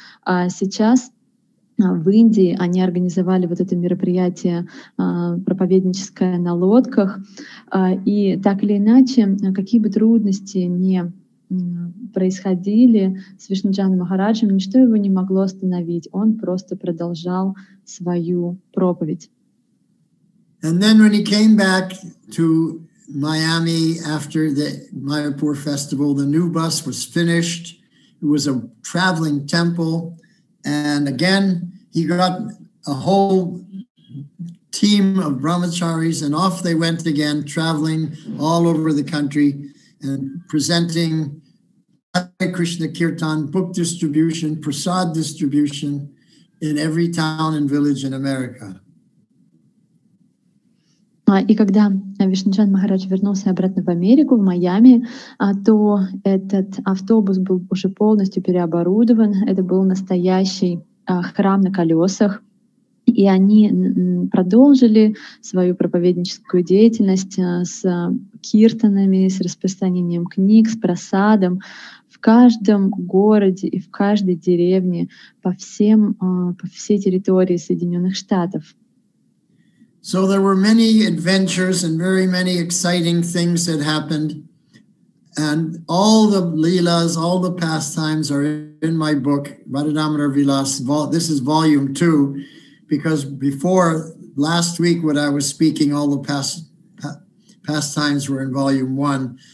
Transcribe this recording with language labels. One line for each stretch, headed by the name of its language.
Russian: А сейчас в Индии они организовали вот это мероприятие проповедническое на лодках. И так или иначе, какие бы трудности ни происходили с Вишнуджаном Махараджем, ничто его не могло остановить. Он просто продолжал свою проповедь.
English: And then when he came back to Miami after the Mayapur festival, the new bus was finished. It was a traveling temple. And again, he got a whole team of brahmacharis, and off they went again, traveling all over the country and presenting Hare Krishna Kirtan, book distribution, prasad distribution in every town and village in America.
Russian: И когда Вишнуджан Махарадж вернулся обратно в Америку, в Майами, то этот автобус был уже полностью переоборудован. Это был настоящий храм на колесах. И они продолжили свою проповедническую деятельность с киртанами, с распространением книг, с прасадом в каждом городе и в каждой деревне по всей территории Соединенных Штатов.
English: So there were many adventures and very many exciting things that happened. And all the leelas, all the pastimes are in my book, Radhadamodar Vilas. This is volume two, because before last week when I was speaking, all the pastimes were in volume one.